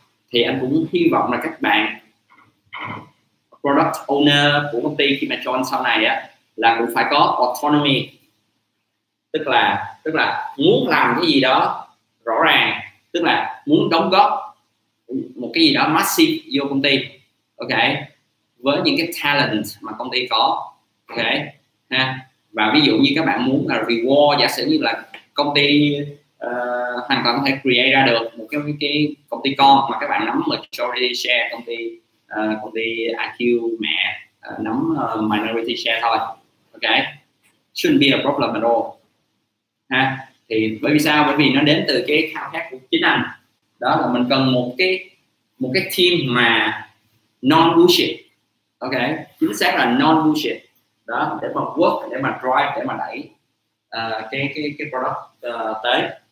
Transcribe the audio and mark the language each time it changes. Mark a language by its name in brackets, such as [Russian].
[Vietnamese] Thì anh cũng hy vọng là các bạn product owner của công ty khi mà join sau này á là cũng phải có autonomy, tức là muốn làm cái gì đó rõ ràng, tức là muốn đóng góp một cái gì đó massive vô công ty, ok, với những cái talent mà công ty có, ok ha. Và ví dụ như các bạn muốn là reward, giả sử như là công ty hoàn toàn có thể create ra được một cái công ty con mà các bạn nắm majority share, công ty EyeQ mẹ nắm minority share thôi. [English] Ok, shouldn't be a problem at all ha. [Vietnamese] Thì bởi vì sao? Bởi vì nó đến từ cái khao khát của chính anh, đó là mình cần một cái team mà non bullshit. Ok, chính xác là non bullshit đó, để mà work, để mà drive, để mà đẩy cái product tới.